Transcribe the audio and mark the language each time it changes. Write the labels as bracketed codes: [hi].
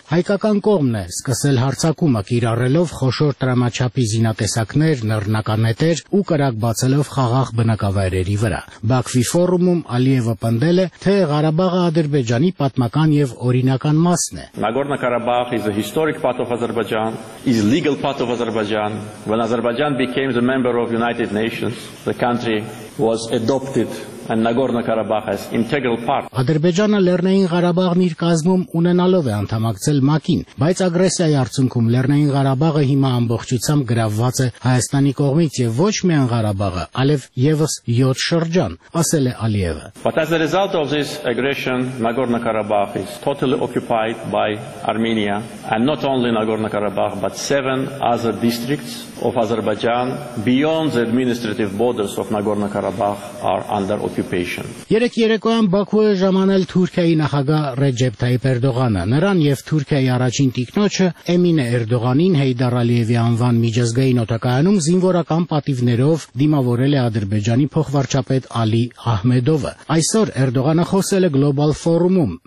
[hy] հայկական կողմն է սկսել հարցակումը, կիրառելով խոշոր տրամաչափի զինատեսակներ, նռնական հետեր ու կրակ բացելով խաղաղ բնակավայրերի վրա։ Բաքվի ֆորումում Ալիևը պնդել է, թե Ղարաբաղը Ադրբեջանի պատմական եւ օրինական մասն է։ [en] Nagorno Karabakh is a historic part of Azerbaijan, is legal part of Azerbaijan. When Azerbaijan became the member of United Nations, the country was adopted and Nagorno Karabakh is integral part. [hy] Ադրբեջանը Լեռնային Ղարաբաղն իր կազմում ունենալով է անդամակցել ՄԱԿ-ին, բայց ագրեսիայի արդյունքում Լեռնային Ղարաբաղը հիմա ամբողջությամբ գրավված է Հայաստանի կողմից եւ ոչ միայն Ղարաբաղը, այլև եւս 7 շրջան, ասել է Ալիևը։ [en] But as a result of this aggression, Nagorno Karabakh is totally occupied by Armenia, and not only Nagorno Karabakh but 7 other districts of Azerbaijan beyond the administrative borders of Nagorno Karabakh are under occupation. [hy] Երեկոյան Բաքվոյ ժամանել Թուրքիայի նախագահ Ռեջեփ Թայիփ Էրդողանը, նրան եւ Թուրքիայի առաջին տիկնոջը Էմինե Էրդողանին Հեյդար Ալիևի անվան միջազգային օդակայանում զինվորական պատիվներով դիմավորել է Ադրբեջանի փոխվարչապետ Ալի Ահմեդովը։ Այսօր Էրդողանը խոսել է գլոբալ ֆորումում.